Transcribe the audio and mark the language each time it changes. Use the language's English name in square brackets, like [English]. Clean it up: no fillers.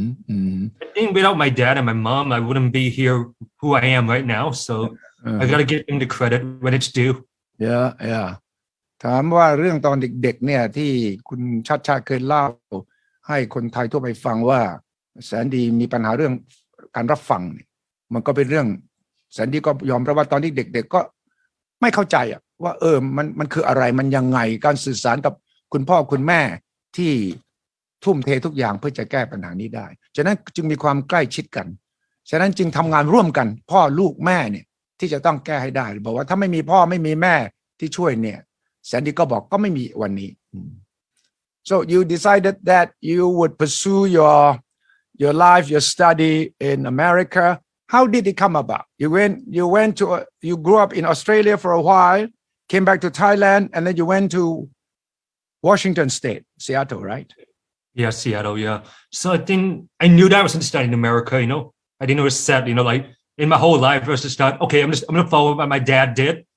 [English] I think without my dad and my mom, I wouldn't be here who I am right now. So I got to give them the credit when it's due. Yeah, yeah. [Thai] ถามว่าเรื่องตอนเด็กๆเนี่ยที่คุณชาติชาติเคยเล่าให้คนไทยทั่วไปฟังว่าแสนดีมีปัญหาเรื่องการรับฟังมันก็เป็นเรื่องแสนดีก็ยอมรับว่าตอนที่เด็กๆก็ไม่เข้าใจอ่ะว่าเออมันคืออะไรมันยังไงการสื่อสารกับคุณพ่อคุณแม่ที่ ทุ่มเททุกอย่างเพื่อจะแก้ปัญหานี้ได้ฉะนั้นจึงมีความใกล้ชิดกันฉะนั้นจึงทำงานร่วมกันพ่อลูกแม่เนี่ยที่จะต้องแก้ให้ได้บอกว่าถ้าไม่มีพ่อไม่มีแม่ที่ช่วยเนี่ยแสนดีก็บอกก็ไม่มีวันนี้ [English] So you decided that you would pursue your your life, your study in America. How did it come about? You grew up in Australia for a while, came back to Thailand, and then you went to Washington State, Seattle, right? Yeah, Seattle, yeah. So I think I knew that I was going to study in America, you know. I didn't know it was set, you know, like in my whole life, I was just not, okay, I'm going to follow what my dad did.